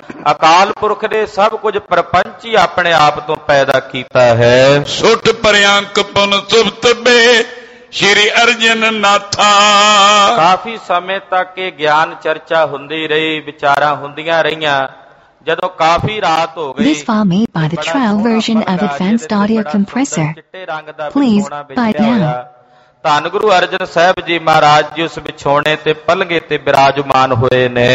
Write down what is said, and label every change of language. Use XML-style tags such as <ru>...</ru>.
<pa>ਅਕਾਲ ਪੁਰਖ ਨੇ ਸਭ ਕੁਝ ਪਰਪੰਚ ਹੀ ਆਪਣੇ ਆਪ ਤੋਂ ਪੈਦਾ ਕੀਤਾ ਹੈ। ਸੁੱਟ ਪਰਿਅੰਕ ਪੁਨ ਸੁਪਤ ਬੇ ਸ਼੍ਰੀ ਅਰਜਨ ਨਾਥਾ। ਕਾਫੀ ਸਮੇਂ ਤੱਕ ਇਹ ਗਿਆਨ ਚਰਚਾ ਹੁੰਦੀ ਰਹੀ, ਵਿਚਾਰਾਂ ਹੁੰਦੀਆਂ ਰਹੀਆਂ। ਜਦੋਂ ਕਾਫੀ ਰਾਤ ਹੋ ਗਈ।</pa> <en>This file made by the trial version of advanced audio compressor. Please buy it now.</en> <pa>ਧੰਨ ਗੁਰੂ ਅਰਜਨ ਸਾਹਿਬ ਜੀ ਮਹਾਰਾਜ ਜੀ ਉਸ ਵਿਛੋਣੇ ਤੇ ਪਲਗੇ ਤੇ ਬਿਰਾਜਮਾਨ ਹੋਏ ਨੇ।</pa>